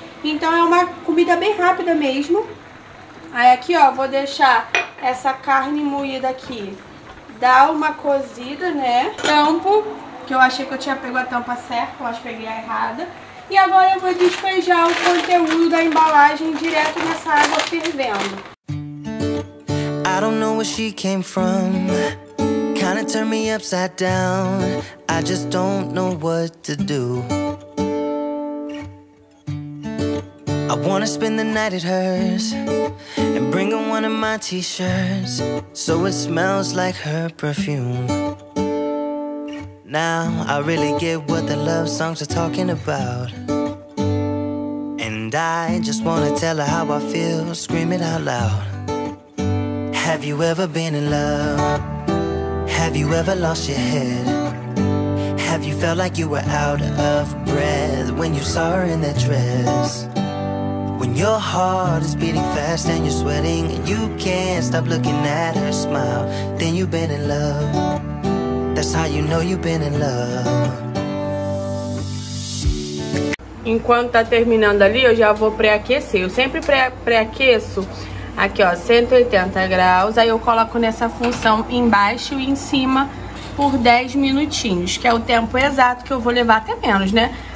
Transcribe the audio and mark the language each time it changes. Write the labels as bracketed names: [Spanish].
[Portuguese] Então é uma comida bem rápida mesmo. Aí aqui, ó, vou deixar essa carne moída aqui. Dá uma cozida, né? Tampo. Que eu achei que eu tinha pego a tampa certa, eu acho que peguei a errada. E agora eu vou despejar o conteúdo da embalagem direto nessa água fervendo. [English] I don't know where she came from. Kinda turned me upside down. I just don't know what to do. I wanna spend the night at hers and bring her one of my t-shirts so it smells like her perfume. Now I really get what the love songs are talking about. And I just wanna tell her how I feel, scream it out loud. Have you ever been in love? Have you ever lost your head? Have you felt like you were out of breath when you saw her in that dress? When your heart is beating fast and you're sweating and you can't stop looking at her smile, then you've been in love. That's how you know you've been in love. [Portuguese] Enquanto tá terminando ali, eu já vou pré-aquecer. Eu sempre pré-aqueço aqui, ó, 180 graus. Aí eu coloco nessa função embaixo e em cima por 10 minutinhos, que é o tempo exato que eu vou levar, até menos, né?